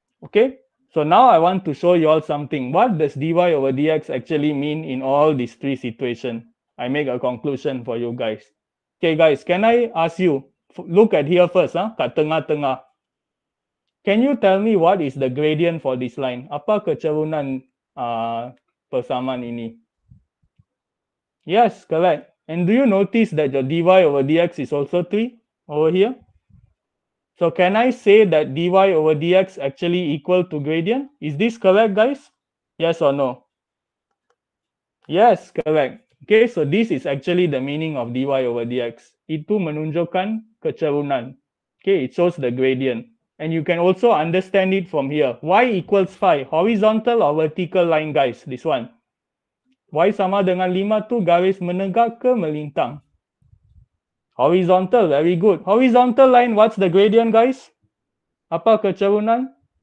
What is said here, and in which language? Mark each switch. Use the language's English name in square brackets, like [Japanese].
[English] Okay, so now I want to show you all something. What does dy over dx actually mean in all these three situations? I make a conclusion for you guys. Okay, guys, can I ask you, look at here first, [Malay] kat tengah-tengah. [English] Can you tell me what is the gradient for this line? [Malay] Apa kecerunan persamaan ini? [English] Yes, correct. And do you notice that your dy over dx is also 3 over here? So can I say that dy over dx actually equal to gradient? Is this correct, guys? Yes or no? Yes, correct. Okay, so this is actually the meaning of dy over dx. [Malay] Itu menunjukkan kecerunan. [English] Okay, it shows the gradient. And you can also understand it from here. Y equals 5. Horizontal or vertical line, guys? This one. [Malay] Y sama dengan 5 tu garis menegak ke melintang? [English] Horizontal. Very good. Horizontal line, what's the gradient, guys? [Malay] Apa kecerunan?